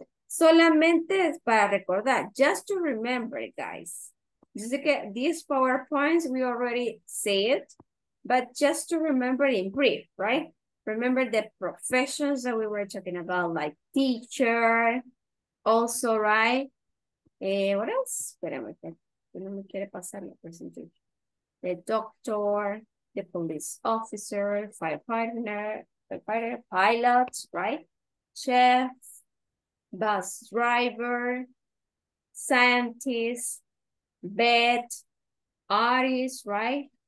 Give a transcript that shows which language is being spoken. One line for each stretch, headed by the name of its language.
Spanish: Solamente es para recordar,
English: just to remember, guys. Just to get these PowerPoints, we already say it, but just to remember in brief, right? Remember the professions that we were talking about, like teacher, also, right? What else?
Spanish: Espérame, que no me quiere pasar la presentación.
English: The doctor, the police officer, firefighter, pilot, right? Chef, bus driver, scientist, vet, artist, right?